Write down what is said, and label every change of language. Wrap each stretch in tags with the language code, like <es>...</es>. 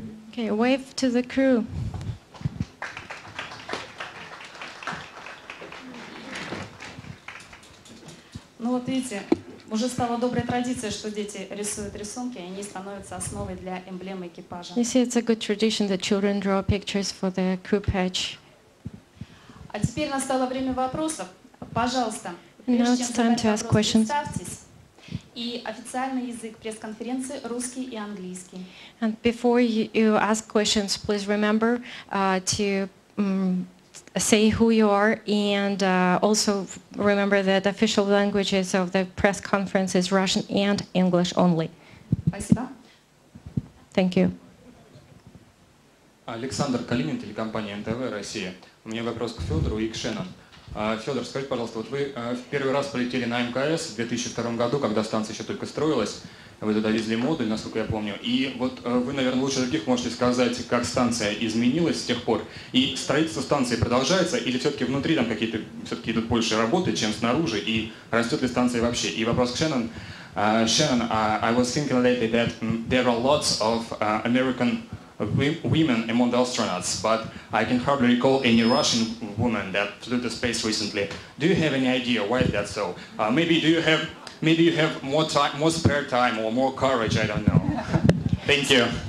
<en>Okay, wave to the crew.</en> <ru>Ну вот видите, уже стала доброй традицией, что дети рисуют рисунки, и они становятся основой для эмблемы экипажа.</ru> <en>You see, it's a good tradition that children draw pictures for the crew patch.</en> <ru>А теперь настало время вопросов. Пожалуйста, и официальный язык пресс-конференции русский и английский.</ru> <en>And before you ask questions, please remember say who you are, and also remember that official languages of the press conference is Russian and English only.</en> <ru>Спасибо.</ru> <en>Thank you.</en> <ru>Александр Калинин, телекомпания НТВ, Россия. У меня вопрос к Фёдору и к Шеннон. Фёдор, скажите, пожалуйста, вот вы в первый раз полетели на МКС в 2002 году, когда станция ещё только строилась. Вы туда везли модуль, насколько я помню. И вот вы, наверное, лучше других можете сказать, как станция изменилась с тех пор. И строительство станции продолжается, или все-таки внутри там какие-то все-таки идут больше работы, чем снаружи, и растет ли станция вообще? И вопрос к Шеннон.</ru> <en>Шеннон, I was thinking lately that there are lots of American women among the astronauts, but I can hardly recall any Russian woman that flew to space recently. Do you have any idea why is that so? Maybe you have more time, more spare time, or more courage. I don't know. Thank you.</en>